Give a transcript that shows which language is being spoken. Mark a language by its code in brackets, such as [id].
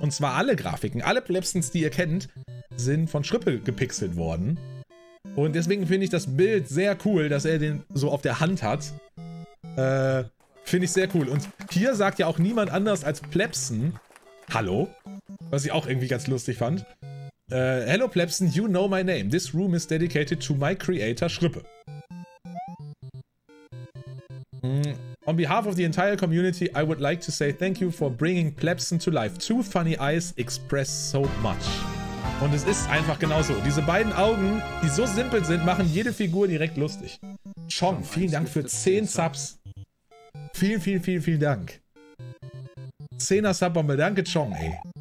[de] Und zwar alle Grafiken, alle Plebsens, die ihr kennt, sind von Schrippe gepixelt worden. Und deswegen finde ich das Bild sehr cool, dass er den so auf der Hand hat. Finde ich sehr cool. Und hier sagt ja auch niemand anders als Plebsen, hallo, was ich auch irgendwie ganz lustig fand. [en] Hello Plebsen, you know my name. This room is dedicated to my creator, Schrippe. On behalf of the entire community, I would like to say thank you for bringing Plebsen to life. Two funny eyes express so much. [de] Und es ist einfach genauso. Diese beiden Augen, die so simpel sind, machen jede Figur direkt lustig. Chong, vielen Dank für 10 Subs. Vielen, vielen, vielen, vielen Dank. 10er Subbombe, danke Chong, ey.